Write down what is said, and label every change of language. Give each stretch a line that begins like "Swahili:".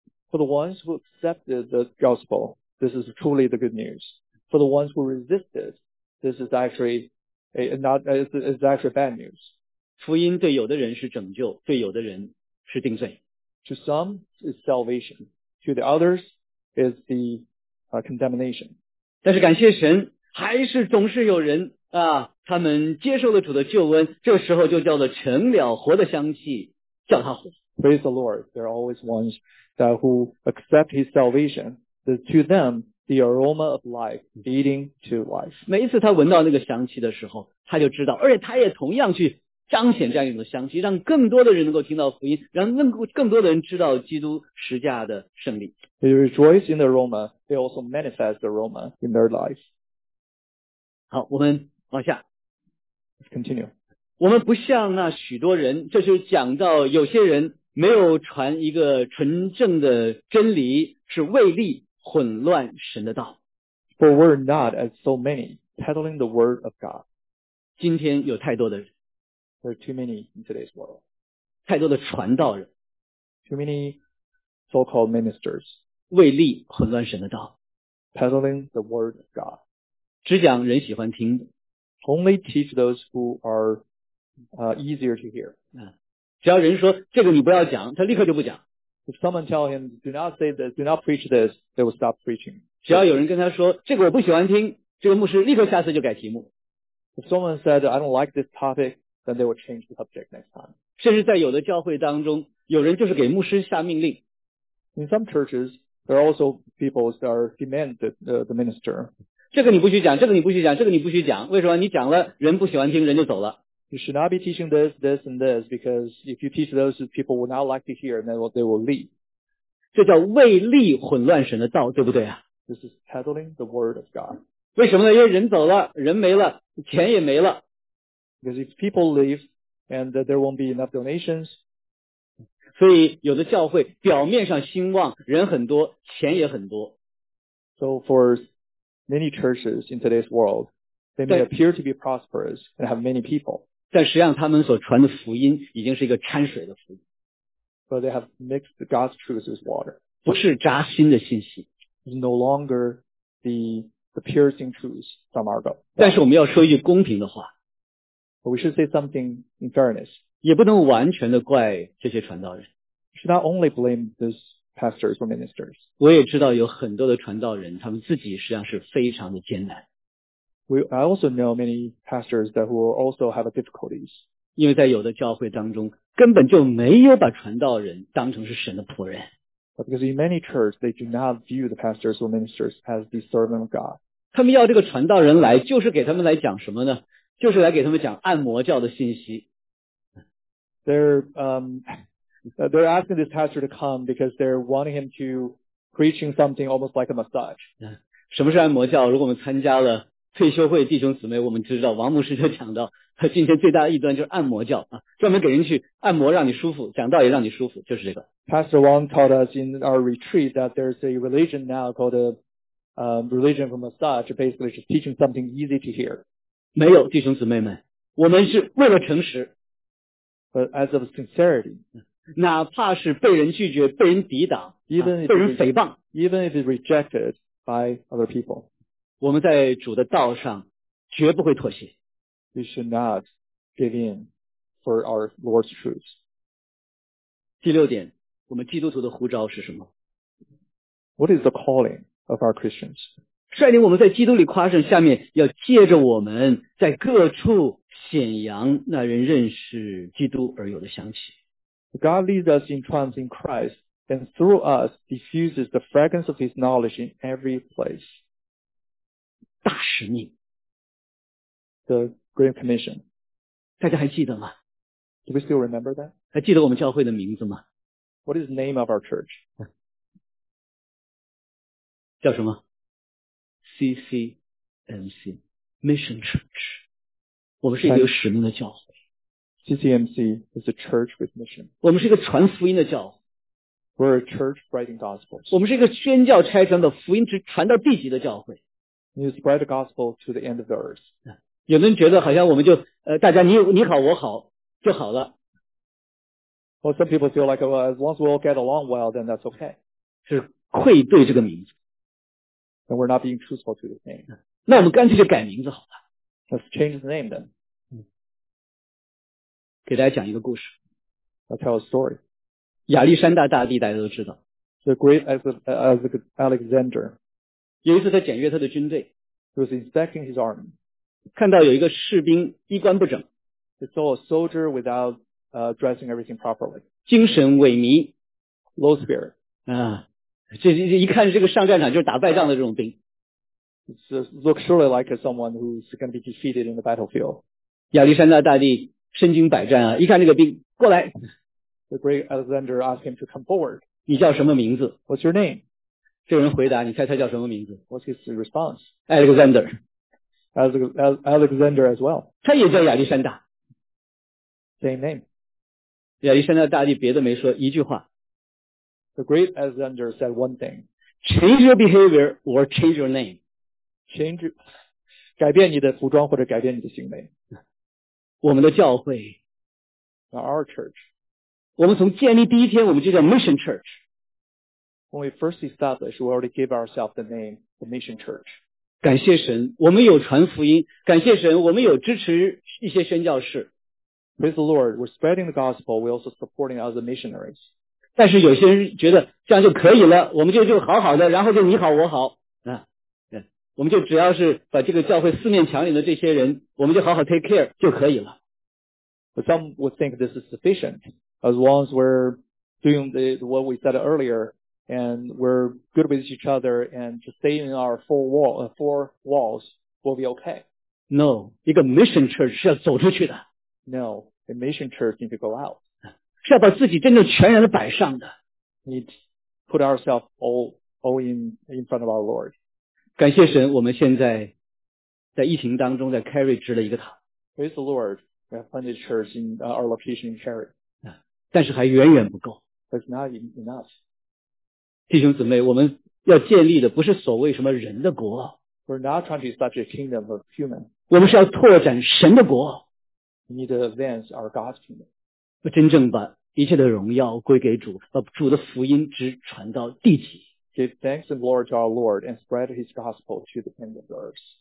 English: For the ones who accepted the gospel, this is truly the good news. For the ones who resisted, this is actually bad news.
Chinese: 福音对有的人是拯救，对有的人是定罪。
English: To some is salvation, to the others is the condemnation.
Chinese: 但是感谢神，还是总是有人啊，他们接受了主的救恩，这时候就叫做成了活的香气，叫他活。
English: Praise the Lord, there are always ones that who accept His salvation. To them, the aroma of life leading to life.
Chinese: 每一次他闻到那个香气的时候，他就知道，而且他也同样去彰显这样一种香气，让更多的人能够听到福音，让更多的人知道基督十架的胜利。
English: They rejoice in the aroma. They also manifest the aroma in their life.
Chinese: 好，我们往下。
English: Continue.
Chinese: 我们不像那许多人，这就讲到有些人没有传一个纯正的真理，是为利混乱神的道。
English: For we're not as so many peddling the word of God.
Chinese: 今天有太多的人。
English: There are too many in today's world.
Chinese: 太多的传道人。
English: Too many so-called ministers.
Chinese: 为利混乱神的道。
English: Peddling the word of God.
Chinese: 只讲人喜欢听的。
English: Only teach those who are easier to hear.
Chinese: 只要人说这个你不要讲，他立刻就不讲。
English: If someone tell him, do not say this, do not preach this, they will stop preaching.
Chinese: 只要有人跟他说，这个我不喜欢听，这个牧师立刻下次就改题目。
English: If someone said, I don't like this topic, then they will change the subject next time.
Chinese: 甚至在有的教会当中，有人就是给牧师下命令。
English: In some churches, there are also people that are demanded the minister.
Chinese: 这个你不许讲，这个你不许讲，这个你不许讲，为什么？你讲了，人不喜欢听，人就走了。
English: You should not be teaching this, this, and this, because if you teach those, people will not like to hear, and then they will leave.
Chinese: 这叫为利混乱神的道，对不对啊？
English: This is peddling the word of God.
Chinese: 为什么呢？因为人走了，人没了，钱也没了。
English: Because if people leave, and there won't be enough donations.
Chinese: 所以有的教会表面上兴旺，人很多，钱也很多。
English: So for many churches in today's world,They may appear to be prosperous and have many people.
Chinese: 但实际上他们所传的福音已经是一个掺水的福音。
English: But they have mixed God's truth with water.
Chinese: 不是扎心的信息。
English: It's no longer the piercing truth from our God.
Chinese: 但是我们要说一句公平的话。
English: But we should say something in fairness.
Chinese: 也不能完全的怪这些传道人。
English: We should not only blame these pastors or ministers.
Chinese: 我也知道有很多的传道人他们自己实际上是非常的艰难。
English: I also know many pastors that who also have difficulties.
Chinese: 因为在有的教会当中根本就没有把传道人当成是神的仆人。
English: But because in many churches, they do not view the pastors or ministers as the servant of God.
Chinese: 他们要这个传道人来就是给他们来讲什么呢？就是来给他们讲按摩教的信息。
English: They're asking this pastor to come because they're wanting him to preaching something almost like a massage.
Chinese: 什么是按摩教？如果我们参加了退休会弟兄姊妹，我们知道王牧师就讲到，他今天最大的异端就是按摩教啊，专门给人去按摩，让你舒服，讲道也让你舒服，就是这个。
English: Pastor Wang taught us in our retreat that there's a religion now called a religion for massage, basically just teaching something easy to hear.
Chinese: 没有，弟兄姊妹们，我们是为了诚实。
English: But as of sincerity,
Chinese: 哪怕是被人拒绝、被人抵挡、被人诽谤
English: ，even if it's rejected by other people.
Chinese: 我们在主的道上绝不会妥协。
English: We should not give in for our Lord's truth.
Chinese: 第六点，我们基督徒的呼召是什么？
English: What is the calling of our Christians?
Chinese: 率领我们在基督里夸胜，下面要借着我们在各处显扬那人认识基督而有的香气。
English: God leads us in triumph in Christ, and through us diffuses the fragrance of his knowledge in every place.
Chinese: 大使命
English: The Great Commission
Chinese: 大家还记得吗
English: Do we still remember that?
Chinese: 还记得我们教会的名字吗
English: What is the name of our church?
Chinese: 叫什么 CCMC Mission Church 我们是一个有使命的教会
English: CCMC is a church with mission
Chinese: 我们是一个传福音的教会
English: We're a church writing gospels
Chinese: 我们是一个宣教拆传的福音之传到地级的教会
English: You spread the gospel to the end of the earth.
Chinese: 有人觉得好像我们就大家你好我好就好了。
English: Well, some people feel like, well, as long as we all get along well, then that's okay.
Chinese: 是愧对这个名字。
English: And we're not being truthful to this name.
Chinese: 那我们干脆就改名字好了。
English: Let's change the name then.
Chinese: 给大家讲一个故事。
English: I'll tell a story.
Chinese: 亚历山大大帝大家都知道。
English: The great Alexander.
Chinese: 有一次他检阅他的军队
English: He was inspecting his army.
Chinese: 看到有一个士兵衣冠不整
English: He saw a soldier without dressing everything properly.
Chinese: 精神萎靡
English: Low spirit.
Chinese: 这一看这个上战场就是打败仗的这种兵
English: It looks surely like someone who's going to be defeated in the battlefield.
Chinese: 亚历山大大帝身经百战啊一看这个兵过来
English: The great Alexander asked him to come forward.
Chinese: 你叫什么名字
English: What's your name?
Chinese: 这人回答你猜他叫什么名字
English: What's his response? Alexander Alexander as well
Chinese: 他也叫亚历山大
English: Same name
Chinese: 亚历山大大帝别的没说一句话
English: The great Alexander said one thing Change your behavior or change your name Change
Chinese: 改变你的服装或者改变你的行为我们的教会
English: Our church
Chinese: 我们从建立第一天我们就叫 Mission Church
English: When we first established, we already gave ourselves the name, the Mission Church.
Chinese: 感谢神，我们有传福音。感谢神，我们有支持一些宣教士。
English: Praise the Lord, we're spreading the gospel, we're also supporting other missionaries.
Chinese: 但是有些人觉得这样就可以了，我们就好好的，然后就你好我好啊，我们就只要是把这个教会四面墙里的这些人，我们就好好
English: take care
Chinese: 就可以了。
English: But some would think this is sufficient as long as we're doing the what we said earlier and we're good with each other and to stay in our four walls will be okay. No,
Chinese: 一个 mission church 是要走出去的。
English: No, a mission church need to go out.
Chinese: 是要把自己真正全然的摆上的。
English: Need put ourselves all in front of our Lord.
Chinese: 感谢神，我们现在在疫情当中，在 Carry 支了一个堂。
English: Praise the Lord, we have planted church in our location in Carry.
Chinese: 但是还远远不够。
English: That's not enough.
Chinese: 弟兄姊妹，我们要建立的不是所谓什么人的国。
English: We're not trying to establish a kingdom of human.
Chinese: 我们是要拓展神的国。
English: We need to advance our God's kingdom.
Chinese: 真正把一切的荣耀归给主，把主的福音只传到地极。
English: Give thanks and glory to our Lord and spread His gospel to the ends of the earth.